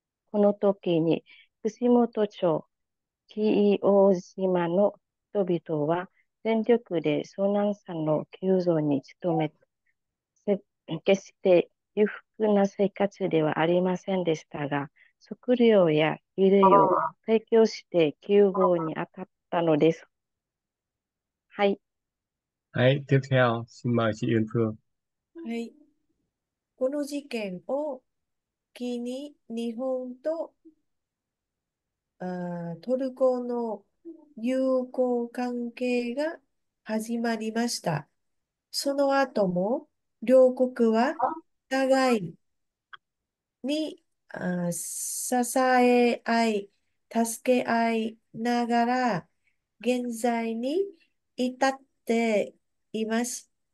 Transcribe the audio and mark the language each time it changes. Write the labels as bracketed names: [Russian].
[Japanese] この時に、串本町、紀伊大島の人々は、全力で遭難者の救助に努め、決して裕福な生活ではありませんでしたが、食料や衣類を提供して救護に当たったのです。はい。 [Vietnamese] はい、tiếp theo, xin mời chị Yên Phương. [Japanese] はい、この事件を機に日本とトルコの友好関係が始まりました。その後も両国は互いに支え合い、助け合いながら現在に至っています。